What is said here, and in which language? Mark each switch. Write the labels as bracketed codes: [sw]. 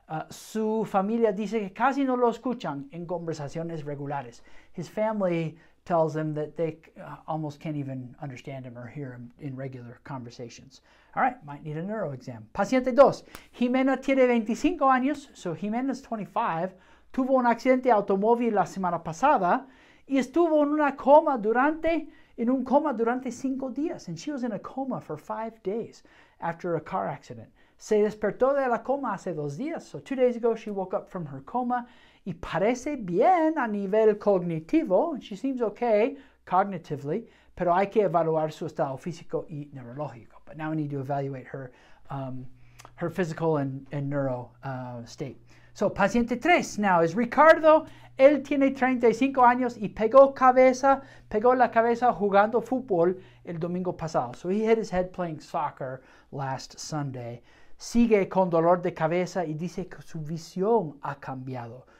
[es] Su familia dice que casi no lo escuchan en conversaciones regulares. [en] His family tells him that they almost can't even understand him or hear him in regular conversations. All right, might need a neuro exam. Paciente 2. [es] Jimena tiene 25 años. [en] So Jimena's 25. [es] Tuvo un accidente automóvil la semana pasada y estuvo en una coma durante 5 días. [en] And she was in a coma for 5 days after a car accident. [es] Se despertó de la coma hace 2 días. [en] So 2 days ago, she woke up from her coma [es] y parece bien a nivel cognitivo. [en] She seems okay cognitively, [es] pero hay que evaluar su estado físico y neurológico. [en] But now we need to evaluate her her physical and neuro state. So paciente 3 now is Ricardo. [es] Él tiene 35 años y pegó la cabeza jugando fútbol el domingo pasado. [en] So he hit his head playing soccer last Sunday. [es] Sigue con dolor de cabeza y dice que su visión ha cambiado.